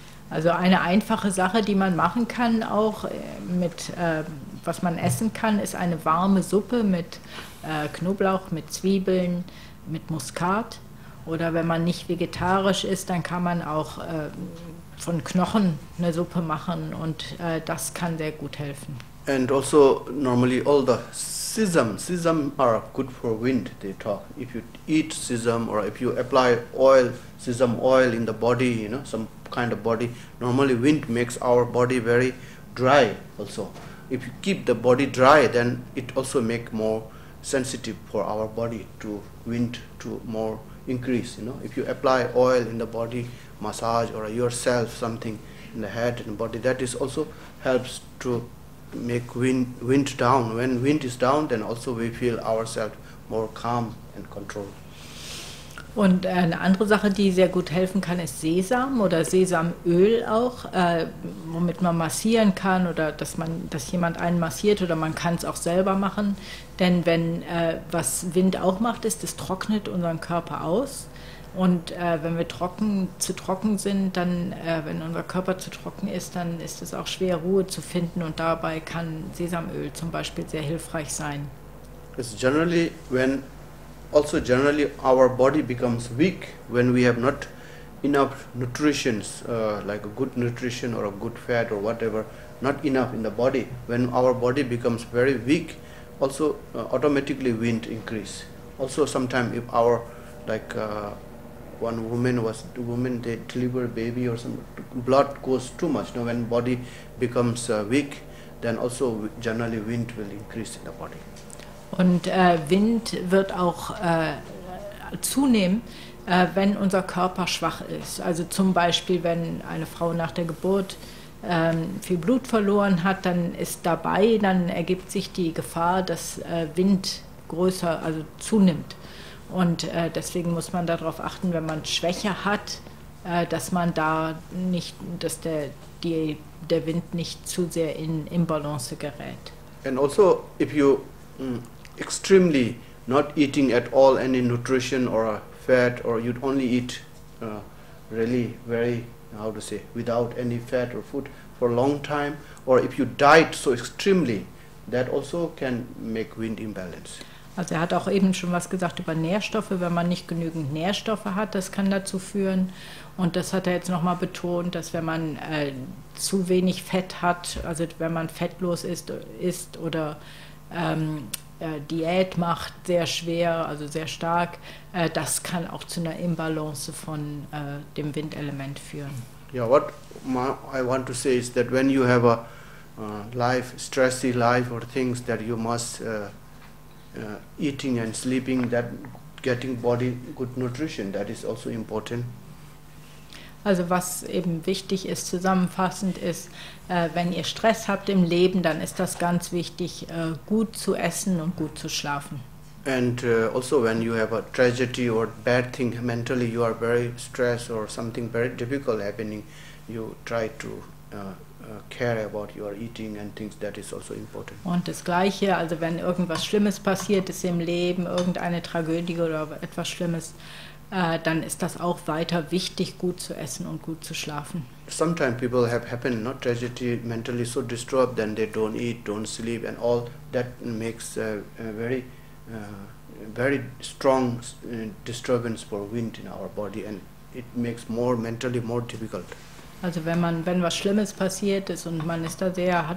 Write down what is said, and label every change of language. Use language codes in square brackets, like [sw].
[de] Also eine einfache Sache, die man machen kann, auch mit was man essen kann, ist eine warme Suppe mit Knoblauch, mit Zwiebeln, mit Muskat. Oder wenn man nicht vegetarisch ist, dann kann man auch von Knochen eine Suppe machen und das kann sehr gut helfen. [en] And also normally all the sesam are good for wind, they talk. If you eat sesam or if you apply oil, sesam oil in the body, you know, some kind of body, normally wind makes our body very dry also. If you keep the body dry, then it also make more sensitive for our body to wind, to more increase, you know. If you apply oil in the body, massage or yourself something in the head and body, that is also helps to make wind down. When wind is down, then also we feel ourselves more calm and controlled. [de] Und eine andere Sache, die sehr gut helfen kann, ist Sesam oder Sesamöl auch, womit man massieren kann oder dass jemand einen massiert oder man kann es auch selber machen. Denn wenn was Wind auch macht, ist, es trocknet unseren Körper aus. Und wenn wir zu trocken sind, dann, wenn unser Körper zu trocken ist, dann ist es auch schwer, Ruhe zu finden. Und dabei kann Sesamöl zum Beispiel sehr hilfreich sein. [en] It's generally when also generally our body becomes weak when we have not enough nutrition, like a good nutrition or a good fat or whatever, not enough in the body. When our body becomes very weak, also automatically wind increase. Also sometimes if our, like one woman was, the woman they deliver baby or some blood goes too much. Now when body becomes weak, then also generally wind will increase in the body. [de] Und Wind wird auch zunehmen, wenn unser Körper schwach ist. Also zum Beispiel, wenn eine Frau nach der Geburt viel Blut verloren hat, dann ist dabei, dann ergibt sich die Gefahr, dass Wind größer, also zunimmt. Und deswegen muss man darauf achten, wenn man Schwäche hat, dass man da nicht, dass der Wind nicht zu sehr in Balance gerät. [en] And also, if you extremely not eating at all any nutrition or fat, or you'd only eat really very, how to say, without any fat or food for a long time, or if you diet so extremely, that also can make wind imbalance. [de] Also er hat auch eben schon was gesagt über Nährstoffe. Wenn man nicht genügend Nährstoffe hat, das kann dazu führen. Und das hat er jetzt nochmal betont, dass wenn man zu wenig Fett hat, also wenn man fettlos isst oder Diät macht sehr schwer, also sehr stark, das kann auch zu einer Imbalance von dem Windelement führen. [en] Yeah, what I want to say is that when you have a life, stressy life or things that you must eating and sleeping, that getting body good nutrition, that is also important. [de] Also was eben wichtig ist, zusammenfassend ist, wenn ihr Stress habt im Leben, dann ist das ganz wichtig, gut zu essen und gut zu schlafen. [en] And also when you have a tragedy or bad thing mentally, you are very stressed or something very difficult happening, you try to care about your eating and things, that is also important. [de] Und das Gleiche, also wenn irgendwas Schlimmes passiert ist im Leben, irgendeine Tragödie oder etwas Schlimmes, dann ist das auch weiter wichtig, gut zu essen und gut zu schlafen. [en] Sometimes people have happened, not tragedy, mentally so disturbed, then they don't eat, don't sleep, and all that makes a very, very strong disturbance for wind in our body, and it makes more mentally more difficult. [de] Also wenn was Schlimmes passiert ist und man ist da sehr, hat